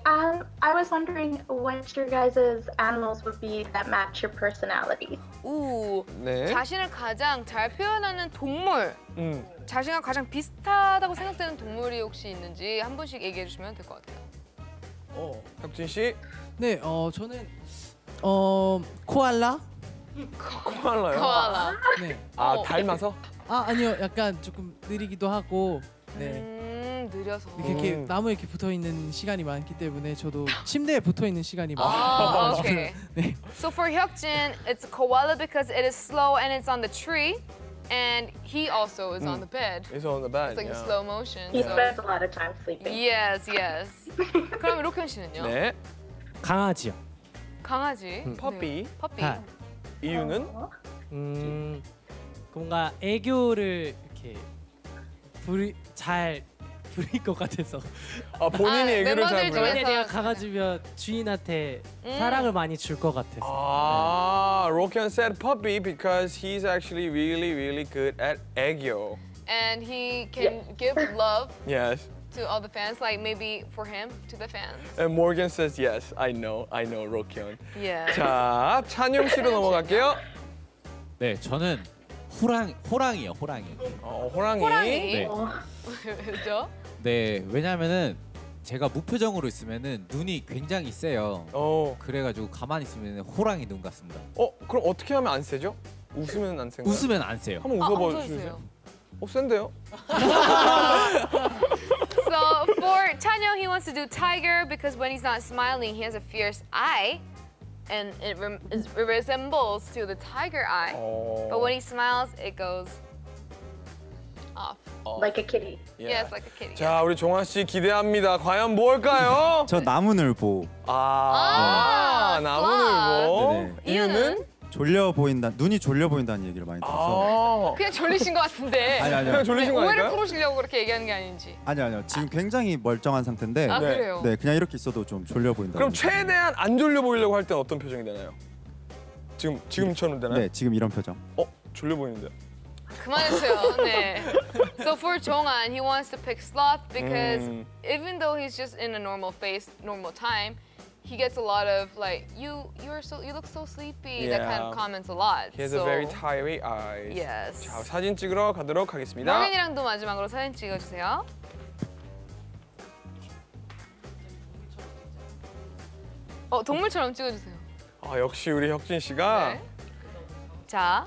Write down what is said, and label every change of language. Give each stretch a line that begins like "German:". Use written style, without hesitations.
English: I was wondering what your guys' animals would be that match your personality.
Korean: 오, 네. 자신을 가장 잘 표현하는 동물. 자신과 가장 비슷하다고 생각되는 동물이 혹시 있는지 한 분씩 얘기해 주시면 될 것 같아요. 어, 혁진 씨. 네, 어 저는 어 코알라. 코알라요? 코알라. 네. 아 오. 닮아서? 아 아니요, 약간 조금 느리기도 하고. 네. 느려서. 이렇게, 이렇게 나무에 이렇게 붙어 있는 시간이 많기 때문에 저도 침대에 붙어 있는 시간이 많아요. 오케이.
English: Okay.
Korean: 네.
English: So for Hyukjin, it's a koala because it is slow and it's on the tree. And he also is on the bed. He's on the bed. It's like yeah. slow motion. He so. spends a lot of time sleeping. Yes, yes.
Korean: 그럼 로켄 씨는요? 네. 강아지요. 강아지.
English: 퍼피. 퍼피.
Korean: 네. 이유는? 뭔가 애교를 이렇게 잘 부릴 것 같아서. 아 본인이 아, 애교를 잘 부려. 만약 내가 강아지면 주인한테 사랑을 많이 줄 것 같아서. 아, 네.
English: Rokyeon said puppy because he's actually really really good at 애교. And he can yeah. give love. Yes. To all the fans, like maybe for him to the fans. And Morgan says yes. I know Rokyeon. Yeah.
Korean: 자 찬용 씨로 넘어갈게요. 네 저는. 호랑이요, 호랑이. 어, 호랑이. 호랑이? 네. 왜죠? 네, 왜냐면은 제가 무표정으로 있으면은 눈이 굉장히 세요. 어. 그래가지고 가만히 있으면은 호랑이 눈 같습니다. 어, 그럼 어떻게 하면 안 세죠? 웃으면 안 센가요? 웃으면 안 세요. 한번 웃어봐 아, 주세요. 어, 센데요?
English: So for Chanyeol, he wants to do tiger because when he's not smiling, he has a fierce eye. And it resembles to the tiger eye, oh. but when he smiles, it goes off. Like a kitty. Yeah. Yes, like a kitty.
Korean: 자, 우리 종아 씨 기대합니다. 과연 뭘까요? 저 나무늘보. 아, 나무늘보. 이유는? 졸려 보인다. 눈이 졸려 보인다는 얘기를 많이 들어서. 아~ 그냥 졸리신 것 같은데. 아니 아니. 그냥 졸리신 거 아니에요? 오해를 풀으시려고 그렇게 얘기하는 게 아닌지. 아니 아니요. 지금 굉장히 멀쩡한 상태인데. 아 그래요. 네, 그냥 이렇게 있어도 좀 졸려 보인다. 그럼 최대한 안 졸려 보이려고 할 때는 어떤 표정이 되나요? 지금처럼 되나요? 네, 지금 이런 표정. 어, 졸려 보이는데. 그만하세요. 네.
English: So for Jong-an, he wants to pick sloth because even though he's just in a normal face, normal time. He gets a lot of like you look so sleepy. Yeah. That kind of comments a lot. He has a very tiring eyes. Yes.
Korean: 자 사진 찍으러 가도록 하겠습니다. 모민이랑도 마지막으로 사진 찍어주세요. 어 동물처럼 찍어주세요. 아 역시 우리 혁진 씨가. 네. 자.